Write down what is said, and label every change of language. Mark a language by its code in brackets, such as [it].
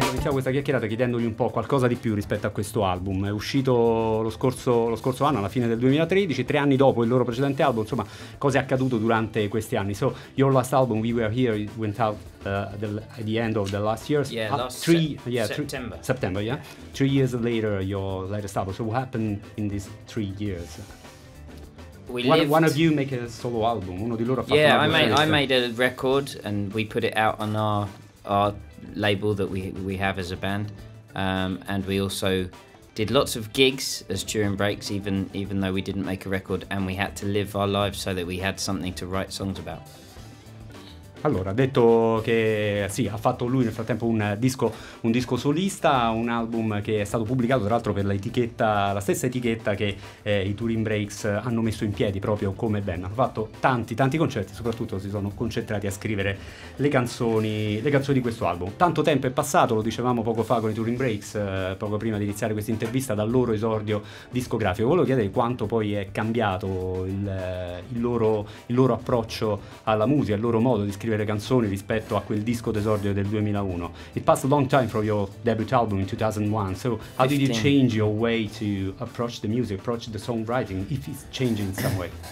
[it] questa chiacchierata chiedendogli un po' qualcosa di più rispetto a questo album. È uscito lo scorso anno, alla fine del 2013, 3 anni dopo il loro precedente album. Insomma, cosa è accaduto durante questi anni? [en] So, your last album, We Were Here, it went out at the end of the last year. Yeah, September. Yeah? 3 years later, your latest album. So what happened in these 3 years? One of you make a solo album. [it] Uno di loro ha fatto [en] I made a record and we put it out on our label that we have as a band, and we also did lots of gigs as Turin Brakes, even though we didn't make a record, and we had to live our lives so that we had something to write songs about. [it] Allora, ha detto che sì, ha fatto lui nel frattempo un disco solista, un album che è stato pubblicato tra l'altro per la stessa etichetta che i Turin Brakes hanno messo in piedi proprio come band. Hanno fatto tanti concerti, soprattutto si sono concentrati a scrivere le canzoni di questo album. Tanto tempo è passato, lo dicevamo poco fa con i Turin Brakes, poco prima di iniziare questa intervista, dal loro esordio discografico. Volevo chiedere quanto poi è cambiato il loro approccio alla musica, il loro modo di scrivere canzoni rispetto a quel disco d'esordio del 2001. [en] It passed a long time from your debut album in 2001. So how 15. Did you change your way to approach the music, approach the songwriting, if it's changing in some way?